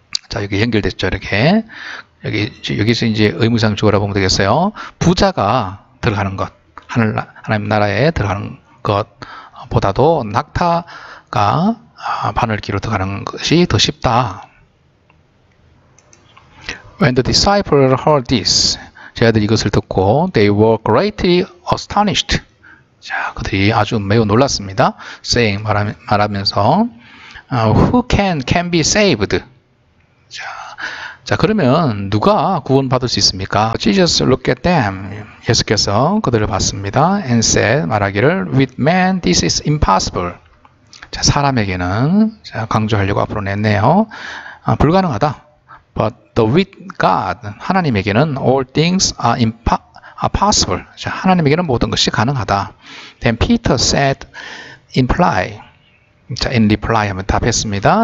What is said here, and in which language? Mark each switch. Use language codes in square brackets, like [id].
[ko] 자, 여기 연결됐죠, 이렇게. 여기서 이제 의무상 주어라 보면 되겠어요. 부자가 들어가는 것, 하나님 나라에 들어가는 것 보다도 낙타가 바늘기로 들어가는 것이 더 쉽다. [en] When the disciples heard this, [ko] 제자들이 이것을 듣고 [en] they were greatly astonished. [ko] 자, 그들이 아주 매우 놀랐습니다. [en] saying [ko] 말하면서 [en] who can be saved? [ko] 자, 그러면 누가 구원받을 수 있습니까? [en] Jesus looked at them. [ko] 예수께서 그들을 봤습니다. [en] and said [ko] 말하기를 [en] with man this is impossible. [ko] 자, 사람에게는 강조하려고 앞으로 냈네요. 불가능하다. [en] But the with God, [ko] 하나님에게는 [en] all things are possible. [ko] 자, 하나님에게는 모든 것이 가능하다. [en] Then Peter said in reply. 자, in reply [ko] 하면 답했습니다.